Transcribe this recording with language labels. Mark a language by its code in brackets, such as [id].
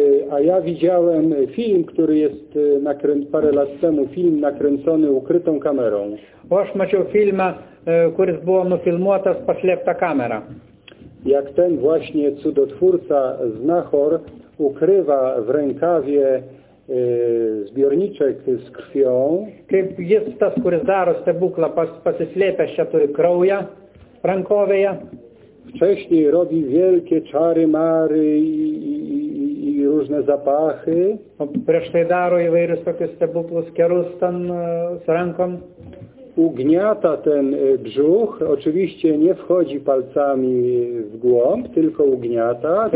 [pl] A ja widziałem film, który jest parę lat temu, film nakręcony ukrytą kamerą. [lt] O, aš mačiau filmą, kuris buvo nufilmuotas paslėpta kamera. [pl] Jak ten właśnie cudotwórca z Nahor ukrywa w rękawie zbiorniczek z krwią. [lt] Kaip jis tas, kuris daro stebuklą, pasislėpęs čia turi kraują rankovėje. [pl] Wcześniej robi wielkie czary, mary i różne zapachy. [lt] O, prieš tai daro įvairius tokius stebuklus, kerus tam [pl] z ręką. Ugniata ten brzuch, oczywiście nie wchodzi palcami w głąb, tylko ugniata.